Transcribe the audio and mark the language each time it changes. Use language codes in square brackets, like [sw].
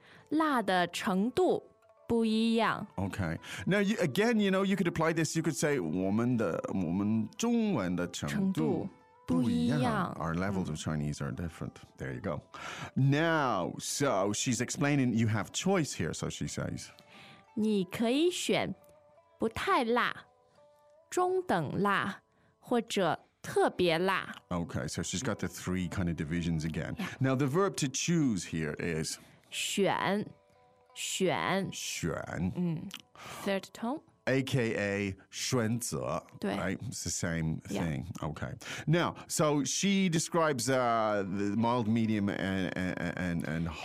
[zh] 辣的程度不一样. [en] Okay. Now, you could apply this. You could say [zh] 我们中文的程度. [en] Our levels of Chinese are different. There you go. Now, so she's explaining you have choice here, so she says. [zh] 你可以选不太辣,中等辣,或者特别辣. [en] Okay, so she's got the three kind of divisions again. Now, the verb to choose here is [zh] 选,选,选. [en] Third tone. A.K.A. 选择, right? It's the same thing. Okay. Now, so she describes the mild, medium, and hot.